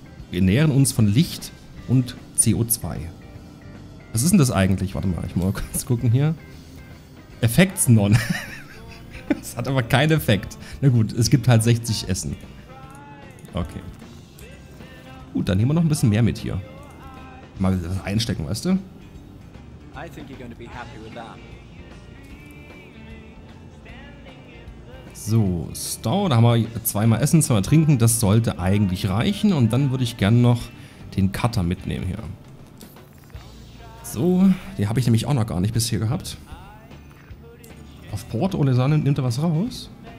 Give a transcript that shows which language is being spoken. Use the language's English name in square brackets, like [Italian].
[German] Wir ernähren uns von Licht und CO2. Was ist denn das eigentlich? Warte mal, ich muss mal kurz gucken hier. [English] Effects none. [German] Es hat aber keinen Effekt. Na gut, es gibt halt 60 Essen. Okay. Gut, dann nehmen wir noch ein bisschen mehr mit hier. Mal das einstecken, weißt du? [English] I think you're gonna be happy with that. [German] So, Stout, da haben wir zweimal essen, zweimal trinken. Das sollte eigentlich reichen. Und dann würde ich gerne noch den Cutter mitnehmen hier. So, den habe ich nämlich auch noch gar nicht bis hier gehabt. Auf Port ohne Sahne nimmt er was raus.